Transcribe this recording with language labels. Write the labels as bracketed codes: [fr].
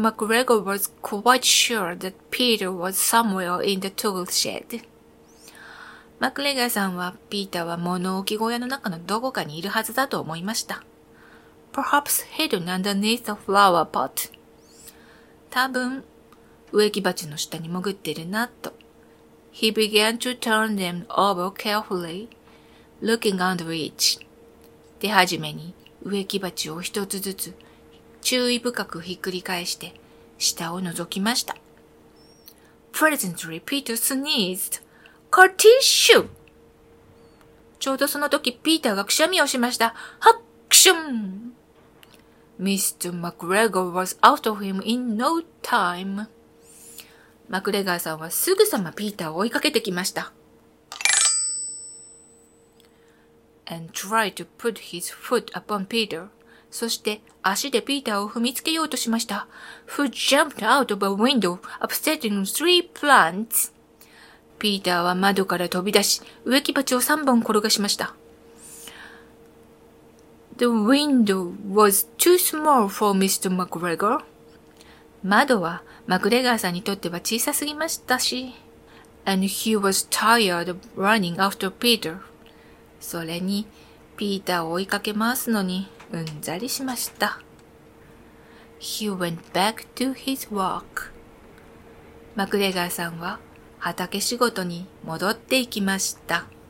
[en] McGregor was quite sure that Peter was somewhere in the tool shed. [ja] マクレガーさんはピーターは物置小屋の中のどこかにいるはずだと思いました。 [en] Perhaps hidden underneath a flower pot. [ja] 多分、植木鉢の下に潜ってるなと。 [en] He began to turn them over carefully, looking under each. [ja] 手始めに植木鉢を一つずつ注意深くひっくり返して下を覗きました。 [en] Presently, Peter sneezed. Car tissue! [ja] ちょうどその時ピーターがくしゃみをしました。ハクション! [en] Mr. McGregor was out of him in no time. [ja] マクレガーさんはすぐさまピーターを追いかけてきました。 [en] And tried to put his foot upon Peter. [ja] そして足でピーターを踏みつけようとしました。 [en] Who jumped out of a window, upsetting three plants. [ja] ピーターは窓から飛び出し、植木鉢を3本転がしました。 [en] The window was too small for Mr. McGregor. [ja] 窓はマクレガーさんにとっては小さすぎましたし。 [en] And he was tired of running after Peter. [ja] それに、ピーターを追いかけ回すのにうんざりしました。 [en] He went back to his work. [ja] マクレガーさんは畑仕事に戻っていきました。